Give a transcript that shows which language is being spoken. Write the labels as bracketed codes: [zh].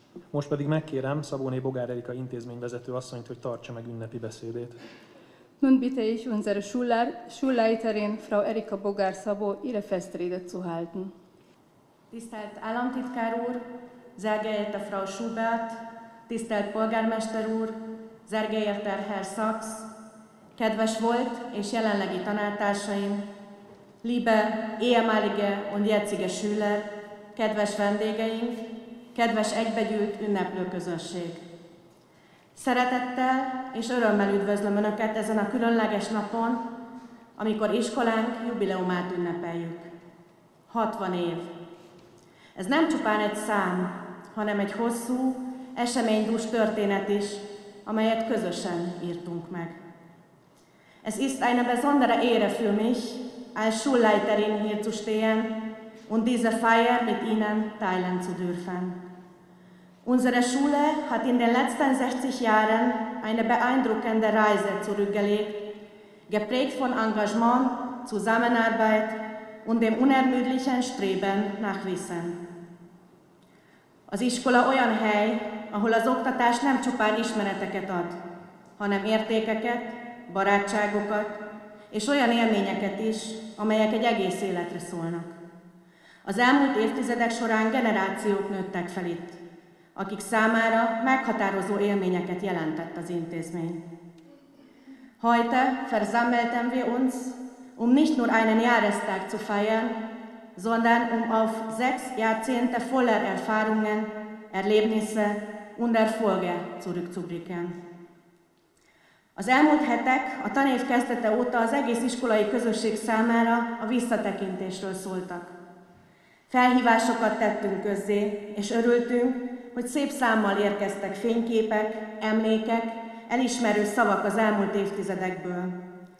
[hu] Most pedig megkérem Szabóné Bogár Erika intézményvezető asszonyt, hogy tartsa meg ünnepi beszédét. [de] Nun bitte ich unsere Schulleiterin, Frau Erika Bogár Szabó, ihre Festrede zu halten. [hu] Tisztelt államtitkár úr, [de] sehr geehrte Frau Schubert, [hu] tisztelt polgármester úr, [de] sehr geehrter Herr Sachs, [hu] kedves volt és jelenlegi tanártársaim, [de] liebe, ehemalige und jetzige Schüler, [hu] kedves vendégeink, kedves egybegyűlt ünneplő közönség. Szeretettel és örömmel üdvözlöm Önöket ezen a különleges napon, amikor iskolánk jubileumát ünnepeljük. 60 év. Ez nem csupán egy szám, hanem egy hosszú, eseménydús történet is, amelyet közösen írtunk meg. [de] Es ist eine besondere Ehre für mich, als Schulleiterin hier zu stehen und diese Feier mit Ihnen teilen zu dürfen. Unsere Schule hat in den letzten 60 Jahren eine beeindruckende Reise zurückgelegt, geprägt von Engagement, Zusammenarbeit und dem unermüdlichen Streben nach Wissen. [hu] Az iskola olyan hely, ahol az oktatás nem csupán ismereteket ad, hanem értékeket, barátságokat és olyan élményeket is, amelyek egy egész életre szólnak. Az elmúlt évtizedek során generációk nőttek fel itt, akik számára meghatározó élményeket jelentett az intézmény. [de] Heute versammelten wir uns, nicht nur einen Jahrestag zu feiern, sondern auf 6 Jahrzehnte voller Erfahrungen, Erlebnisse und Erfolge zurückzublicken. [hu] Az elmúlt hetek a tanév kezdete óta az egész iskolai közösség számára a visszatekintésről szóltak. Felhívásokat tettünk közzé, és örültünk, hogy szép számmal érkeztek fényképek, emlékek, elismerő szavak az elmúlt évtizedekből.